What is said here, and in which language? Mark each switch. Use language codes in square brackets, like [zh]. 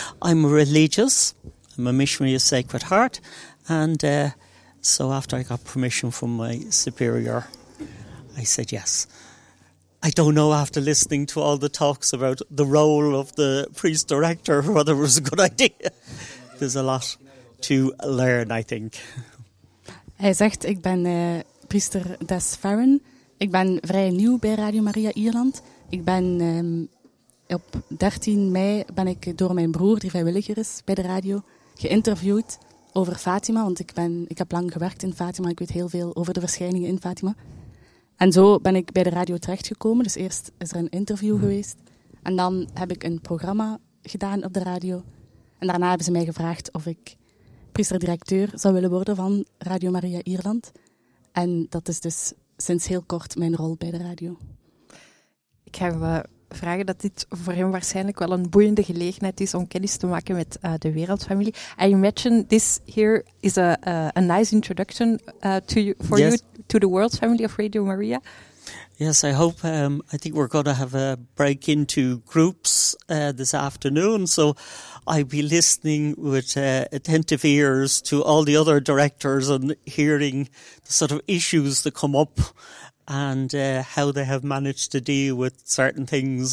[en] I'm religious, I'm a missionary of Sacred Heart, and so after I got permission from my superior, I said yes. I don't know, after listening to all the talks about the role of the priest director, whether it was a good idea. There's a lot to learn, I think. [nl] Hij zegt, ik ben priester Desvarren. Ik ben vrij nieuw bij Radio Maria Ierland. Ik ben op 13 mei ben ik door mijn broer, die vrijwilliger is bij de radio, geïnterviewd over Fatima. Want ik heb lang gewerkt in Fatima. Ik weet heel veel over de verschijningen in Fatima. En zo ben ik bij de radio terechtgekomen. Dus eerst is er een interview geweest. En dan heb ik een programma gedaan op de radio. En daarna hebben ze mij gevraagd of ik priester-directeur zou willen worden van Radio Maria Ierland. En dat is dus sinds heel kort mijn rol bij de radio. Ik ga me vragen dat dit voor hem waarschijnlijk wel een boeiende gelegenheid is om kennis te maken met de wereldfamilie. [en] I imagine this here is a nice introduction to you, for yes. You to the world family of Radio Maria. Yes, I hope. I think we're going to have a break into groups this afternoon. So I'll be listening with attentive ears to all the other directors and hearing the sort of issues that come up and how they have managed to deal with certain things.